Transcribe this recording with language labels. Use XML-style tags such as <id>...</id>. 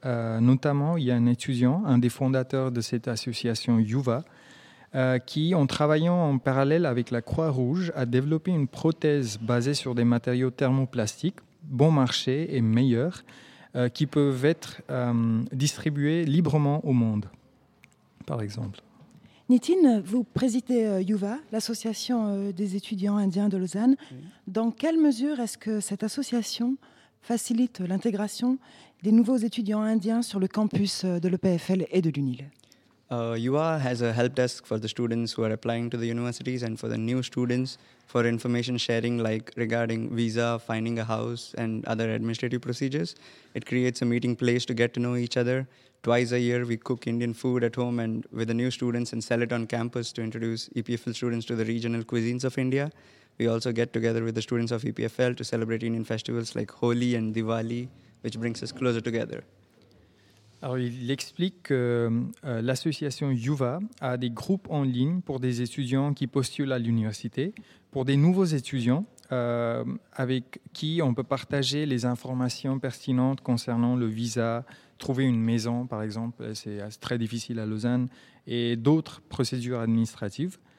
<fr>Notamment, il y a un étudiant, un des fondateurs de cette association Yuva, qui, en travaillant en parallèle avec la Croix-Rouge, a développé une prothèse basée sur des matériaux thermoplastiques, bon marché et meilleurs, qui peuvent être distribués librement au monde, par exemple. Nitin, vous présidez Yuva, l'association des étudiants indiens de Lausanne. Dans quelle mesure est-ce que cette association facilite l'intégration des nouveaux étudiants indiens sur le campus de l'EPFL et de l'UNIL?</fr> <en>Yuva has a help desk for the students who are applying to the universities and for the new students for information sharing like regarding visa, finding a house and other administrative procedures. It creates a meeting place to get to know each other. Twice a year, we cook Indian food at home and with the new students and sell it on campus to introduce EPFL students to the regional cuisines of India. We also get together with the students of EPFL to celebrate Indian festivals like Holi and Diwali, which brings us closer together.</en> <fr>Alors, il explique que l'association Yuva a des groupes en ligne pour des étudiants qui postulent à l'université, pour des nouveaux étudiants avec qui on peut partager les informations pertinentes concernant le visa, trouver une maison, par exemple, c'est très difficile à Lausanne, et d'autres procédures administratives.</fr>